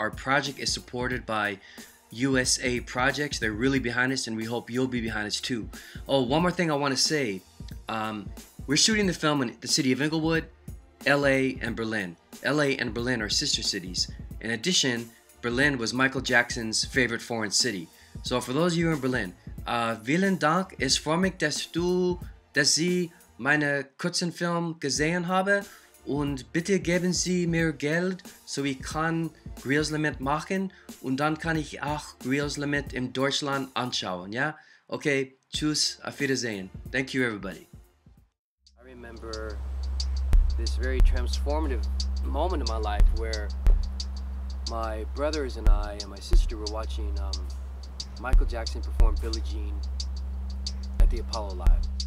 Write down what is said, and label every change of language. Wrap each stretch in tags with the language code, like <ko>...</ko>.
<en>Our project is supported by USA Projects. They're really behind us, and we hope you'll be behind us too. Oh, one more thing I want to say. We're shooting the film in the city of Inglewood, LA, and Berlin. LA and Berlin are sister cities. In addition, Berlin was Michael Jackson's favorite foreign city. So for those of you in Berlin,</en> <de>vielen Dank, es freut mich, dass du, dass sie meine kurzen Film gesehen habe, und bitte geben Sie mir Geld, so ich kann Griot's Lament machen, und dann kann ich auch Griot's Lament in Deutschland anschauen, ja? Okay, tschüss, auf Wiedersehen.</de> <en>Thank you, everybody. I remember this very transformative moment in my life where my brothers and I and my sister were watching Michael Jackson perform Billie Jean at the Apollo Live.</en>